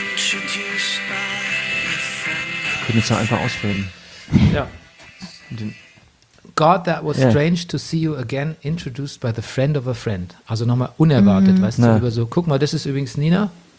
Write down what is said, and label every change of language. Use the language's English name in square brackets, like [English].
[German] Können wir es einfach ausfüllen. Ja. [English] God, that was strange to see you again, introduced by the friend of a friend. [German] Also nochmal unerwartet, weißt du, über so. Guck mal, das ist übrigens Nina.